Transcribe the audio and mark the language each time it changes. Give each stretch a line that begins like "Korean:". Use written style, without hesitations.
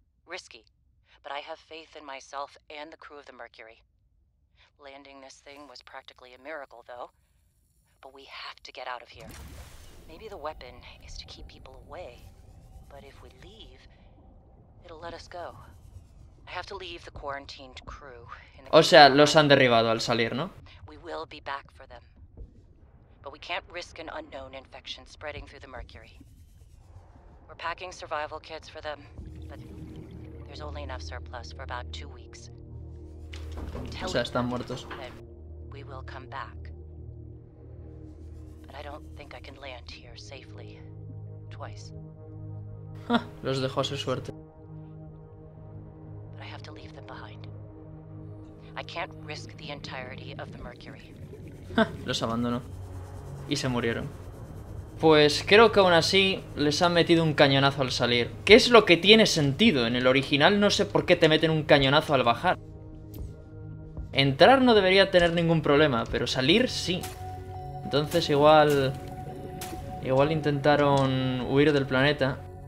English: Risky, but I have faith in myself and the crew of the Mercury. Landing this thing was practically a miracle, though. But we have to get out of here. Maybe the weapon is to keep people away, but if we leave, it'll let us go. I have to leave the quarantined crew.
Spanish: O sea, los han derribado al salir, ¿no?
English: We will be back for them. But we can't risk an unknown infection spreading through the Mercury. We're packing survival kits for them, but there's only enough surplus for about 2 weeks.
Spanish: Tell o sea, están muertos.
English: We will come back. But I don't think I can land here safely twice.
Spanish: Los dejó a su suerte.
English: But I have to leave them behind. I can't risk the entirety of the Mercury.
Spanish: Los abandonó. Y se murieron. Pues creo que aún así les han metido un cañonazo al salir. ¿Qué es lo que tiene sentido? En el original no sé por qué te meten un cañonazo al bajar. Entrar no debería tener ningún problema, pero salir sí. Entonces igual intentaron huir del planeta.